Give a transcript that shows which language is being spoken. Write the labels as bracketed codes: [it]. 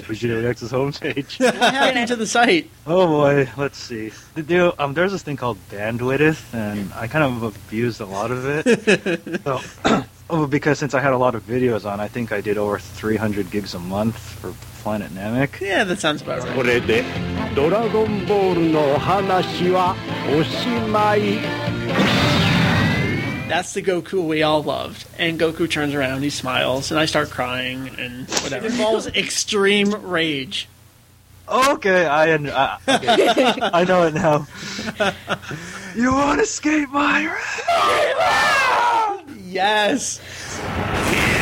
[en] Back on VegettoEX's homepage. What happened to the site? Oh, boy. Let's see. There's this thing called bandwidth, and I kind of abused a lot of it. because since I had a lot of videos on, I think I did over 300 gigs a month for Planet Namek. Yeah, that sounds about right. [ja] これでドラゴンボールの話はおしまい。 [en] That's the Goku we all loved. And Goku turns around, he smiles, and I start crying, and whatever. It involves extreme rage. Okay, I know it now. You want to skate my wrath? Yes!